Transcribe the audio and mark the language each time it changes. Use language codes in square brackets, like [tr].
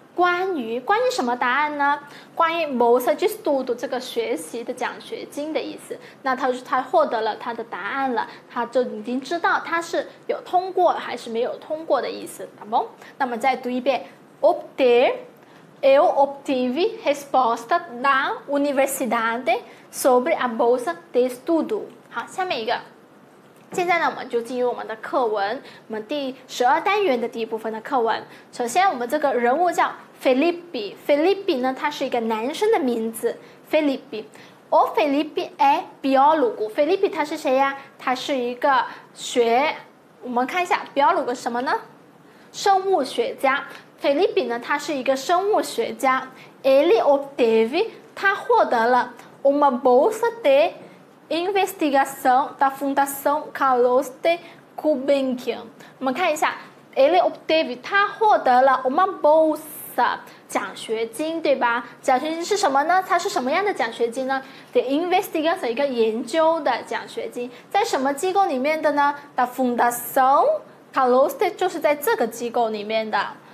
[zh] 关于什么答案呢？关于 [pt] bolsa de estudo [zh] 这个学习的奖学金的意思。那他获得了他的答案了，他就已经知道他是有通过还是没有通过的意思。那么再读一遍 ，obter。 [pt] Eu obtive resposta da universidade sobre a bolsa de estudo. [zh] 好，下面一个。现在呢，我们就进入我们的课文，我们第十二单元的第一部分的课文。首先，我们这个人物叫 Felipe。Felipe 呢，他是一个男生的名字。Felipe。 [pt] O Felipe é biólogo. Felipe [zh] 他是谁呀？他是一个学，我们看一下 biólogo 什么呢？生物学家。Felipe 呢，他是一个生物学家。 [pt] Ele obteve， [zh] 他获得了 [pt] uma bolsa de investigação da Fundação Carlos de Gulbenkian。 [zh] 我们看一下 ， [pt] Ele obteve， [zh] 他获得了 [pt] uma bolsa [zh] 奖学金，对吧？奖学金是什么呢？它是什么样的奖学金呢 ？ [pt] De investigação [zh] 一个研究的奖学金，在什么机构里面的呢 ？ [pt] Da Fundação Carlos de [zh] 就是在这个机构里面的。